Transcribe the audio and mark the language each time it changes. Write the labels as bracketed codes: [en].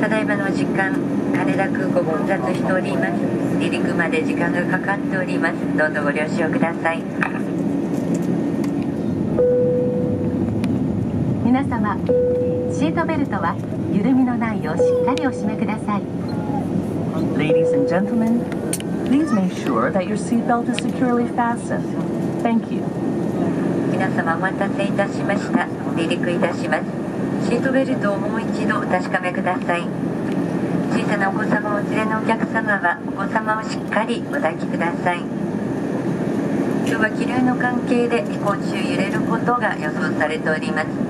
[ja] ただいまの時間、羽田空港混雑しております。離陸まで時間がかかっております。どうぞご了承ください。皆様、シートベルトは緩みのないようしっかりお締めください。 [en] Ladies and gentlemen, please make sure that your seatbelt is securely fastened. Thank you. [ja] 皆様、お待たせいたしました。離陸いたします。シートベルトをもう一度お確かめください。小さなお子様をお連れのお客様はお子様をしっかりお抱きください。今日は気流の関係で飛行中揺れることが予想されております。